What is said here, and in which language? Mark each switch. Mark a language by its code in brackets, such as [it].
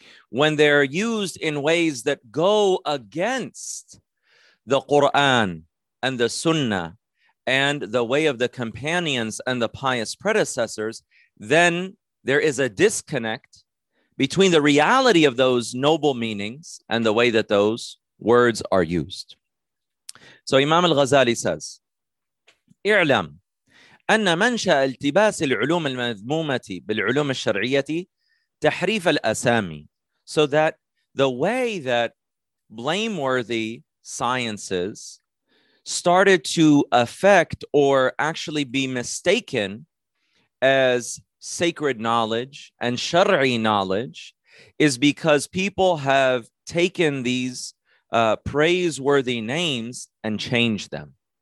[en] When they're used in ways that go against the Quran and the Sunnah and the way of the companions and the pious predecessors, then there is a disconnect between the reality of those noble meanings and the way that those words are used. So Imam al-Ghazali says, [ar] اعلم أن منشأ التباس العلوم المذمومة بالعلوم الشرعية تحريف الأسامي. [en] So that the way that blameworthy sciences started to affect or actually be mistaken as sacred knowledge and shar'i knowledge is because people have taken these praiseworthy names and changed them.